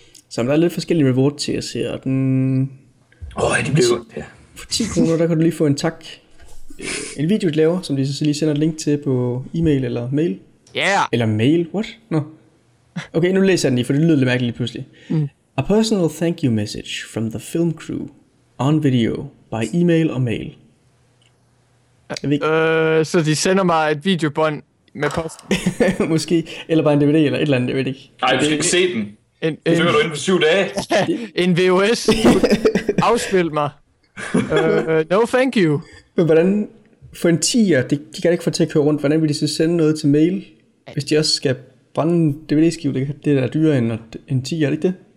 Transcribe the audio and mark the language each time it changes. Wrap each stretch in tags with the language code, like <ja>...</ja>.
<da>Så der er lidt forskellige reward til at se, og den... det bliver ondt, ja. For 10 kroner, der kan du lige få en tak. En video, du laver, som de så lige sender et link til på e-mail eller mail. Ja. Yeah. Eller mail,</da> <en>what? No.</en> <da>Okay, nu læser jeg den lige, for det lyder lidt mærkeligt pludselig. Mm.</da> <en>A personal thank you message from the film crew on video by email or mail.</en> <da>Så de sender mig et videobånd med post? Måske. Eller bare en DVD eller et eller andet, jeg ved ikke. Nej, du skal ikke se den. Det fører du inden for 7 dage. En VHS. Afspil mig.</da> <en>No thank you.</en> <da>Men hvordan, for en 10'er, det kan jeg ikke få til at køre rundt, hvordan vil de så sende noget til mail, hvis de også skal brænde DVD-skive, det er dyrere end en 10'er, er det ikke det?</da>